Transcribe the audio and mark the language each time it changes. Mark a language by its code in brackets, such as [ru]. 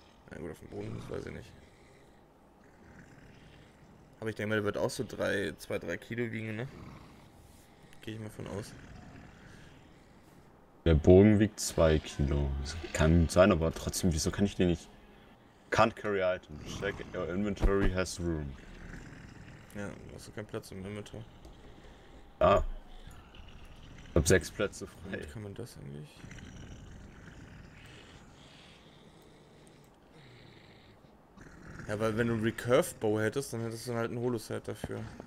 [de] Na gut, auf dem Boden, das weiß ich nicht. Aber ich denke mal, der wird auch so 3, 2, 3 Kilo wiegen, ne? Gehe ich mal von aus. Der Bogen wiegt 2 Kilo. Das kann sein, aber trotzdem, wieso kann ich den nicht? [en] Can't carry item. Check your inventory has room. [de] Ja, hast du keinen Platz im Inventar. Ah. Ich hab 6 Plätze Womit frei. kann man das eigentlich? Ja, weil wenn du Recurve Bow hättest, dann hättest du halt ein Holoset dafür.